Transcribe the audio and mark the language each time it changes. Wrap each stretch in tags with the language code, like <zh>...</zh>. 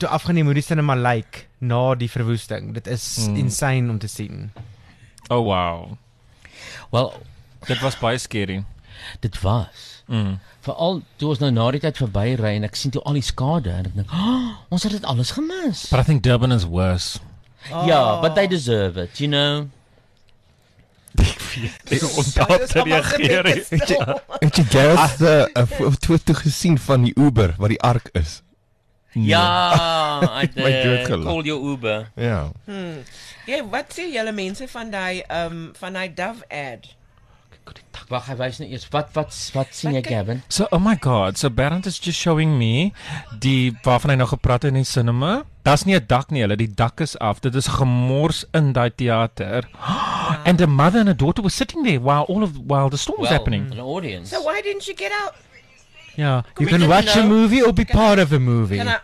<af>Toe afgeneem hoe die cinema lyk na die verwoesting. Dit is insane om te sien.</af> <en>Oh wow. Well,</en> <af>dit was baie scary. Dit was. Vooral toe ons nou na die tyd verby ry en ek sien toe al die skade en ek dink, oh, ons het dit alles gemis.</af> <en>But I think Durban is worse. Oh. Yeah, but they deserve it, you know.</en> <af>Het jy Gareth foto gesien van die Uber wat die ark is?</af> <en>Ja, I did. Call your Uber.</en> <af>Ja. Ja, wat sê julle mense van die Dove ad? Wag, hy wys nou eers. Wat sien jy, Gavin?</af> <en>So, oh my god, so Bernd is just showing me</en> <af>die waarvan hy nou gepraat het in die cinema. Das nie 'n dak nie, hulle, die dak is af. Dit is gemors in die theater.</af> <en>And a mother and a daughter were sitting there while all of while the storm was happening. An audience. So why didn't you get out? Yeah, you can watch a movie or be part of a movie.</en>